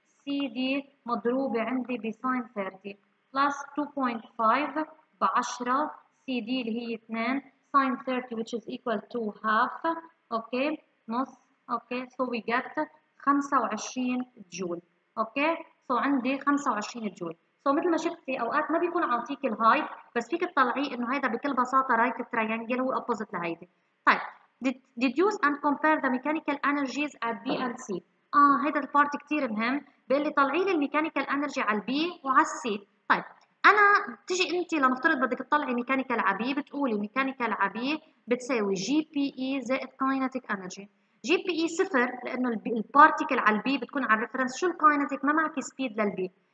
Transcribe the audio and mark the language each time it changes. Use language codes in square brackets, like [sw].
[ar] سي دي مضروبه عندي بساين 30 بلس 2.5 ب 10 سي دي اللي هي 2 ساين 30 [en] which is equal to half, [ar] اوكي, نص, اوكي, [en] so we got 25 joule, [ar] اوكي, سو عندي 25 جول. سو مثل ما شفتي اوقات ما بيكون عاطيك الهاي, بس فيك تطلعيه انه هيدا بكل بساطه رايت تريانجل هو اوبوزيت لهيدي. [en] طيب deduce and compare the mechanical energies at B and C. [ar] هيدا البارت كثير مهم, بيقول لي طلعي لي الميكانيكال انرجي على البي وعلى السي. طيب انا بتجي انت لنفترض بدك تطلعي ميكانيكال عبي, بتقولي ميكانيكال عبي بتساوي جي بي اي زائد كاينتيك انرجي. جي بي اي صفر لانه البارتيكل على البي بتكون على الريفرنس, شو الكاينتيك ما معك سبيد للبي.